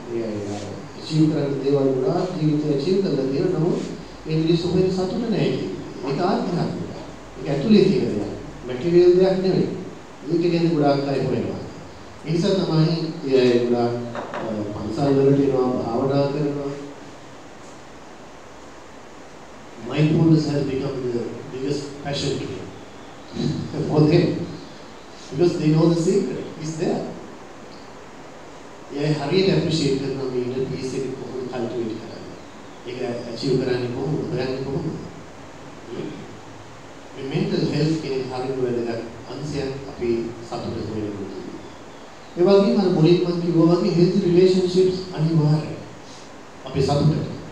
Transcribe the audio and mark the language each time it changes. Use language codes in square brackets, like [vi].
[si] ඒ අය ජීව කරන දේවල් ගොඩාක් ජීවිතය ජීව කරලා තියෙන නමුත් ඒ මිනිස්සු හොයන සතුට නැහැ කියන එක ආත්මයක්. ඒක ඇතුලේ තියෙන දේ. මැටීරියල් දෙයක් නෙවෙයි. ඒක ගැන ගොඩාක් අය හොයනවා. ඒ නිසා තමයි ඒ අය ගොඩාක් පන්සල් වලට යනවා, භාවනා කරනවා. [en] Mindfulness has become the biggest passion to them. For them. Because they know the secret is there. [si] ඒ අය හරියට appreciate කරන මේ inner peace එක කොහොමද cultivate කරන්නේ. ඒක achieve කරන්නේ කොහොමද? මේ mental health කෙනෙක් හරිම වැදගත් අංශයක් අපි සතුටු වෙන්න ඕනේ. ඒ වගේම අර මුලින්ම කිව්වා වගේ health relationships අනිවාර්යයි. අපි සතුටට.